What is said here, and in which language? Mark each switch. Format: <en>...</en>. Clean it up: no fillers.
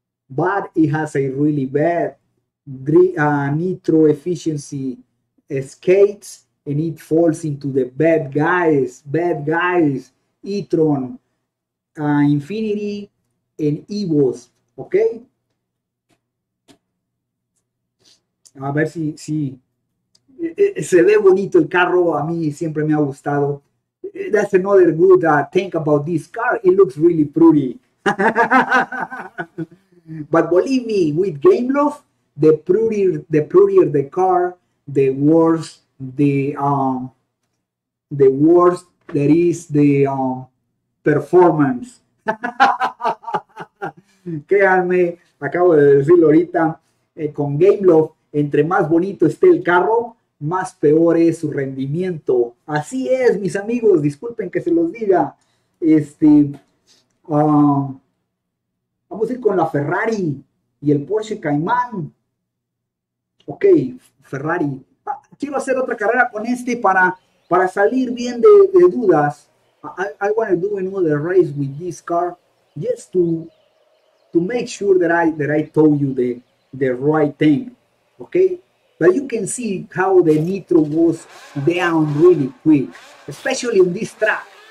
<en>But it has a really bad nitro efficiency skates and it falls into the bad guys, e-tron, Infiniti and Evos, okay?</en> <es>A ver si se ve bonito el carro, a mí siempre me ha gustado.</es> <en>That's another good thing about this car. It looks really pretty. But believe me, with Game Love, the prettier the car, the worse that is the performance.</en> <es>Créanme, acabo de decirlo ahorita, con Game Love, entre más bonito esté el carro, más peor es su rendimiento. Así es, mis amigos, disculpen que se los diga. Vamos a ir con la Ferrari y el Porsche Cayman. Ok, Ferrari. Ah, quiero hacer otra carrera con este para salir bien de dudas.</es> <en>I want to do another race with this car just to make sure that I told you the right thing. Okay, but you can see how the nitro was down really quick, especially on this track.</en>